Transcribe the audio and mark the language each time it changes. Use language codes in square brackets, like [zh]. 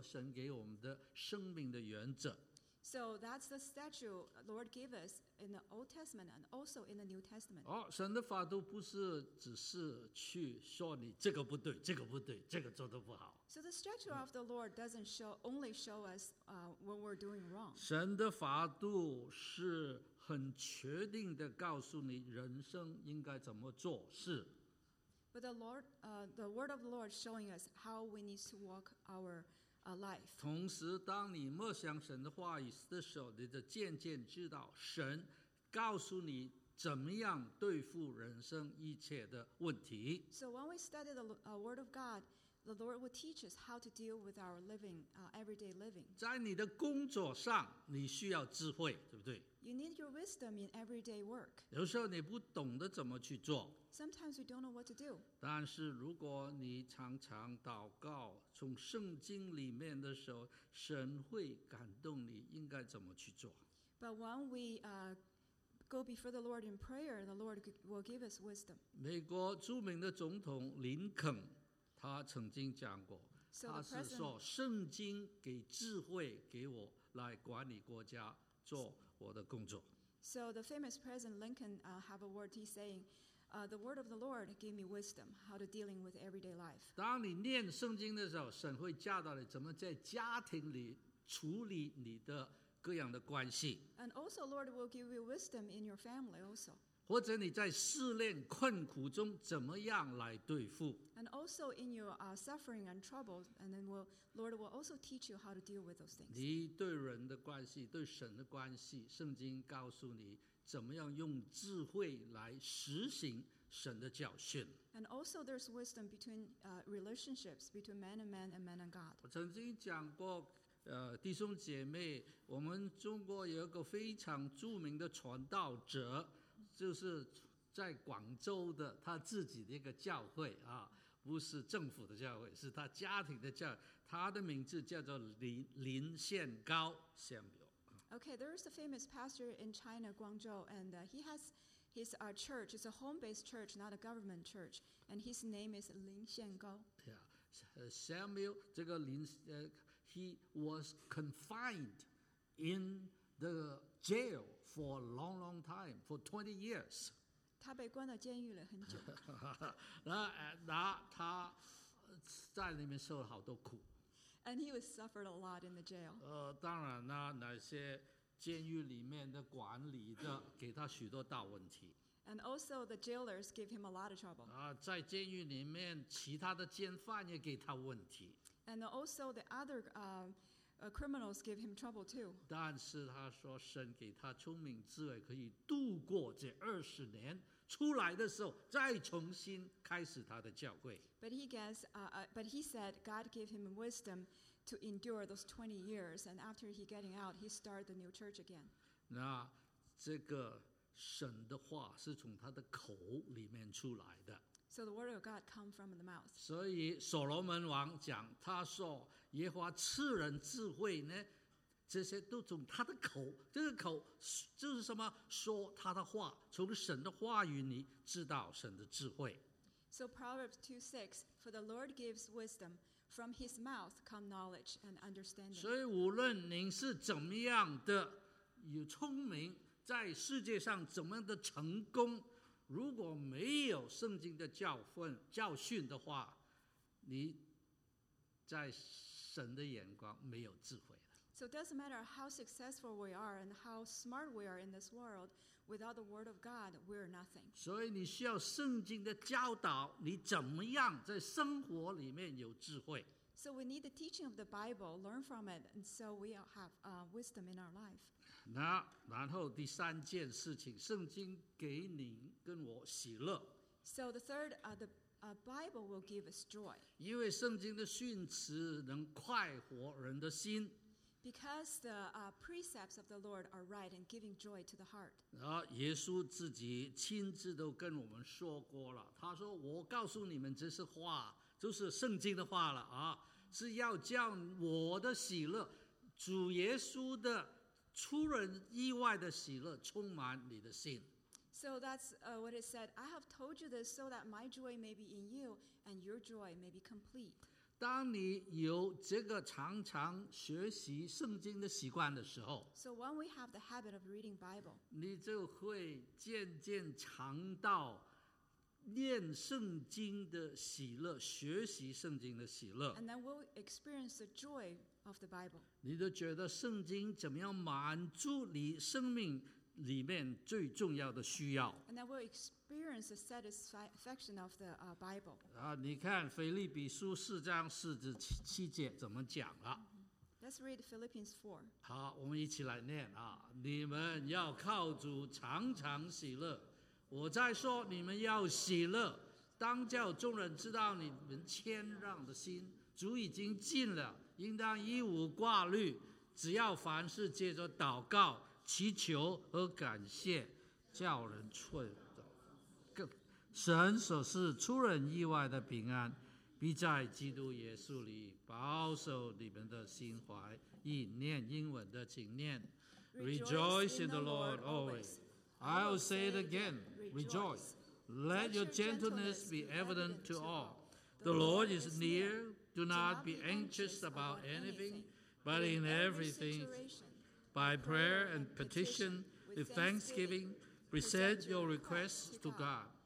[zh] 那神的法度就是从旧约一直到新约都要神给我们的生命的原则。 [en] So that's the statute Lord gave us in the Old Testament and also in the New Testament. [zh] 神的法度不是只是去说你这个不对，这个不对，这个做得不好。 [en] So the statute of the Lord doesn't only show us what we're doing wrong. [zh] 神的法度是很确定地告诉你人生应该怎么做事。 [en] But the word of the Lord showing us how we need to walk our life. [zh] 同时当你默想神的话语的时候, 你就渐渐知道神告诉你怎么样对付人生一切的问题。 [en] So when we study the word of God, the Lord will teach us how to deal with our living, everyday living. [zh] 在你的工作上你需要智慧, 对不对? [en] You need your wisdom in everyday work. [zh] 有时候你不懂得怎么去做。 [en] Sometimes we don't know what to do. [zh] 但是如果你常常祷告, 从圣经里面的时候, 神会感动你应该怎么去做。 [en] But when we go before the Lord in prayer, the Lord will give us wisdom. [zh] 美国著名的总统林肯, 他曾经讲过, 他是说圣经给智慧给我来管理国家做我的工作。 [en] So the famous President Lincoln have a word, he's saying, the word of the Lord gave me wisdom how to dealing with everyday life. [zh] 当你念圣经的时候，神会教导你怎么在家庭里处理你的各样的关系。 [en] And also, Lord will give you wisdom in your family also. [zh] 或者你在试炼困苦中怎么样来对付。 [en] And also in your suffering and trouble, and then will, Lord will also teach you how to deal with those things. [zh] 你对人的关系，对神的关系，圣经告诉你怎么样用智慧来实行神的教训。 [en] And also there's wisdom between relationships between man and man and man and God. [zh] 我曾经讲过弟兄姐妹，我们中国有一个非常著名的传道者，就是在广州的他自己的一个教会啊，不是政府的教会，是他家庭的教会，他的名字叫做 林宪高 Samuel。 [en] Okay, there is a famous pastor in China, Guangzhou, and he has his church, it's a home-based church, not a government church, and his name is 林宪高。 Yeah, Samuel, [zh] 这个林 [en] He was confined in the jail for a long, long time, for 20 years. [zh] 他被关到监狱了很久。那他在里面受了好多苦。 [en] And he was suffered a lot in the jail. [zh] 当然呢，那些监狱里面的管理的给他许多大问题。 [en] And also the jailers gave him a lot of trouble. [zh] 在监狱里面，其他的监犯也给他问题。 [en] And also the other criminals gave him trouble too. [zh] 但是他说神给他聪明智慧可以度过这二十年，出来的时候再重新开始他的教会。 [en] But he said God gave him wisdom to endure those 20 years, and after he getting out, he started the new church again. [zh] 那这个神的话是从他的口里面出来的。 [en] So the word of God comes from the mouth. [zh] 所以所罗门王讲，他说耶和华赐人智慧呢，这些都从他的口，这个口就是什么？说他的话，从神的话语里知道神的智慧。 [en] So Proverbs 2:6, for the Lord gives wisdom, from his mouth come knowledge and understanding. [zh] 所以无论您是怎么样的有聪明，在世界上怎么样的成功，如果没有圣经的教训的话，你在神的眼光没有智慧了。 [en] So it doesn't matter how successful we are and how smart we are in this world, without the word of God, we're nothing. [zh] 所以你需要圣经的教导，你怎么样在生活里面有智慧。 [en] So we need the teaching of the Bible, learn from it, and so we have wisdom in our life. [zh] 那然后第三件事情，圣经给您跟我喜乐。 [en] So the third, the Bible will give us joy. [zh] 因为圣经的训词能快活人的心。 [en] Because the precepts of the Lord are right and giving joy to the heart. [zh] 耶稣自己亲自都跟我们说过了，他说我告诉你们这些话就是圣经的话了啊，是要叫我的喜乐，主耶稣的出人意外的喜乐充满你的心。 [en] So that's what it said. I have told you this so that my joy may be in you and your joy may be complete. [zh] 当你有这个常常学习圣经的习惯的时候， [en] So when we have the habit of reading Bible, [zh] 你就会渐渐尝到念圣经的喜乐，学习圣经的喜乐。 [en] And then we'll experience the joy of the Bible. [zh] 你都觉得圣经怎么样满足你生命里面最重要的需要。 [en] And then we'll experience the satisfaction of the Bible. [zh] 你看腓立比书四章四至七节怎么讲了。 [en] Let's read Philippians 4. [zh] 好，我们一起来念啊。你们要靠主常常喜乐。我在说你们要喜乐，当叫众人知道你们谦让的心，主已经尽了，应当一无挂虑，只要凡事借着祷告祈求和感谢叫人寸神所示出人意外的平安，必在基督耶稣里保守你们的心怀意念。英文的请念 [en] Rejoice in the Lord always. I'll say it again, rejoice. Let your gentleness be evident to all. The Lord is near Do not be anxious about anything, but in everything, by prayer and petition, with thanksgiving, present your requests to God.